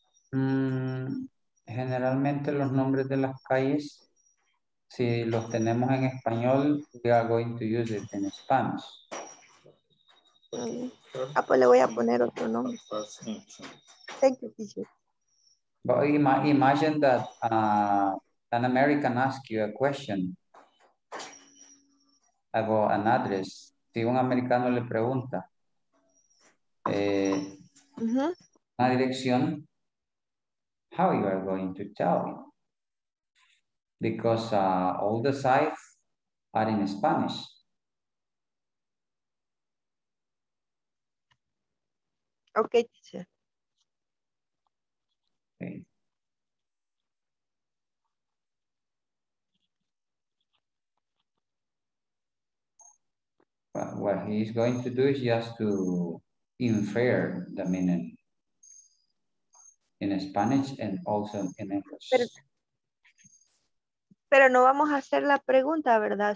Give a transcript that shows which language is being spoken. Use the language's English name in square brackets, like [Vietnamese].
[Spanish] Generalmente los nombres de las calles, si los tenemos en español, [English] we are going to use it in Spanish. [Spanish] Ah, pues le voy a poner otro nombre. [English] Thank you, teacher. But imagine that an American asks you a question about an address. [Spanish] Si un americano le pregunta una dirección, [English] how you are going to tell me? Because all the sites are in Spanish. Okay, teacher. Okay. But what he's going to do is just to infer the meaning in Spanish and also in English. [Spanish] Pero no vamos a hacer la pregunta, ¿verdad?